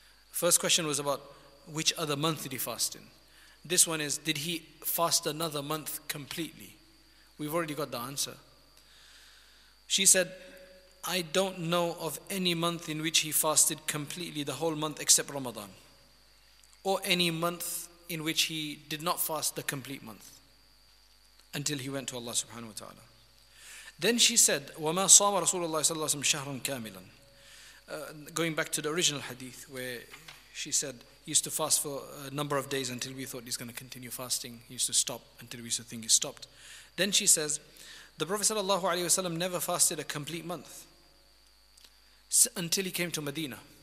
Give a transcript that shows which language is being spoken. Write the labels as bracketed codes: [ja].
[en] First question was about which other month did he fast in? This one is, did he fast another month completely? We've already got the answer. She said, I don't know of any month in which he fasted completely the whole month except Ramadan. Or any month in which he did not fast the complete month until he went to Allah subhanahu wa ta'ala. Then she said, [ar] وَمَا صَامَ رَسُولُ اللَّهِ صَلَّى اللَّهُ عَلَيْهِ وَسَلَّمْ شَهْرًا كَامِلًا. [en] Going back to the original hadith where she said, he used to fast for a number of days until we thought he's going to continue fasting. He used to stop until we used to think he stopped. Then she says, the Prophet sallallahu alayhi wa sallam never fasted a complete month until he came to Medina.